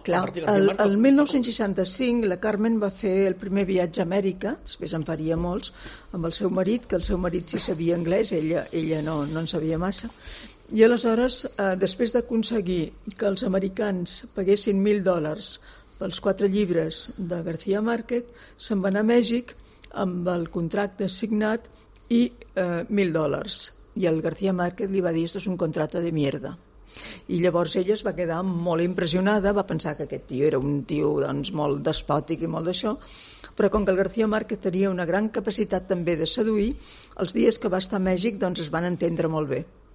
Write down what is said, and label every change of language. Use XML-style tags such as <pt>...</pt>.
<ca>Clar, el 1965 la Carmen va fer el primer viatge a Amèrica, després en faria molts, amb el seu marit, que el seu marit sí sabia anglès, ella no en sabia massa. I aleshores, després d'aconseguir que els americans paguessin $1,000 pels 4 llibres de García Márquez, se'n va anar a Mèxic amb el contracte signat i $1,000. I el García Márquez li va dir,</ca> <es>esto es un contrato de mierda.</es> <ca>I llavors ella es va quedar molt impressionada, va pensar que aquest tio era un tio doncs, molt despòtic i molt d'això, però com que el García Márquez tenia una gran capacitat també de seduir, els dies que va estar a Mèxic doncs, es van entendre molt bé.</ca>